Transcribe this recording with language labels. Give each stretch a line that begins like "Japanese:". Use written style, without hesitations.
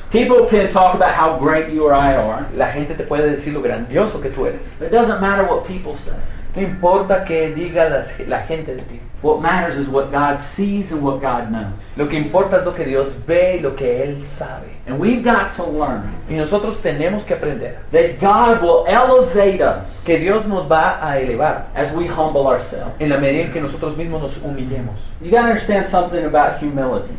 English: People can talk about how great you or I are.
Spanish: La gente te puede decir lo grandioso que tú eres.
English: It doesn't matter what people say.
Spanish: No importa que diga la gente de ti.
English: What matters is what God sees and what God knows.
Spanish: Lo que importa es lo que Dios ve y lo que Él sabe.
English: And we've got to learn.
Spanish: Y nosotros tenemos que aprender.
English: That God will elevate us.
Spanish: Que Dios nos va a elevar.
English: As we humble ourselves.
Spanish: En la medida en que nosotros mismos nos humillemos.
English: You gotta understand something about humility.